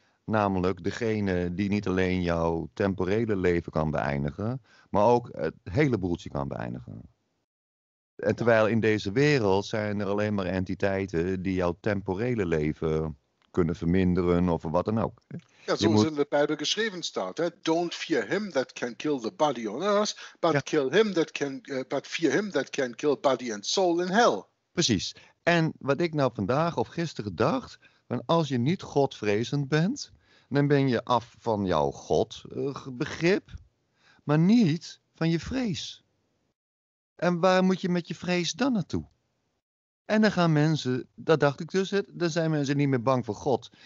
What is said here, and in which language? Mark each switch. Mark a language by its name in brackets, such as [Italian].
[Dutch] Namelijk degene die niet alleen jouw temporele leven kan beëindigen, maar ook het hele boeltje kan beëindigen. En terwijl in deze wereld zijn er alleen maar entiteiten die jouw temporele leven kunnen verminderen of wat dan ook. Ja, zoals in de Bijbel geschreven staat. Hè? [English] Don't fear him that can kill the body on earth, but fear him that can kill body and soul in hell. [Dutch] Precies. En wat ik nou vandaag of gisteren dacht, als je niet godvrezend bent, dan ben je af van jouw God begrip, maar niet van je vrees. En waar moet je met je vrees dan naartoe? En dan gaan mensen, dat dacht ik dus, dan zijn mensen niet meer bang voor God.